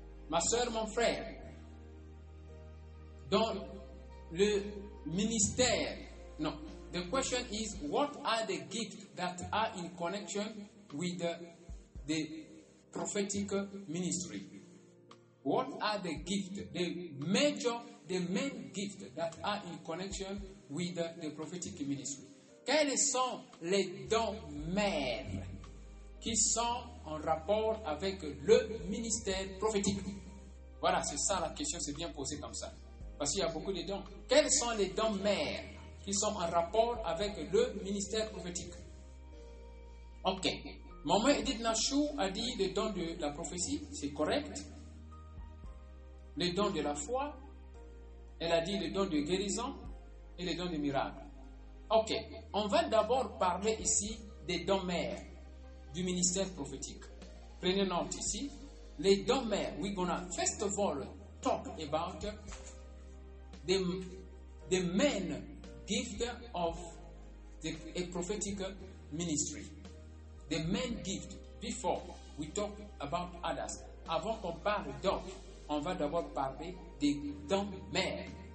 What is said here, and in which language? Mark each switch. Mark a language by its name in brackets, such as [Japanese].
[French] Ma soeur, mon frère, dans le ministère, non, [English] the question is, what are the gifts that are in connection with the prophetic ministry? What are the gifts, the main gift that are in connection with the prophetic ministry? [French] Quels sont les dons mères qui sont en rapport avec le ministère prophétique? Voilà, c'est ça la question, c'est bien posé comme ça. Parce qu'il y a beaucoup de dons. Quels sont les dons mères qui sont en rapport avec le ministère prophétique? Ok. Maman Edith Nachou a dit les dons de la prophétie, c'est correct. Les dons de la foi. Elle a dit les dons de guérison et les dons de miracles. Ok, on va d'abord parler ici des dons mères du ministère prophétique. Prenez note ici. Les dons mères, [English] we're gonna first of all talk about the main gift of a prophetic ministry. The main gift before we talk about others. [French] Avant qu'on parle dons, on va d'abord parler des dons mères.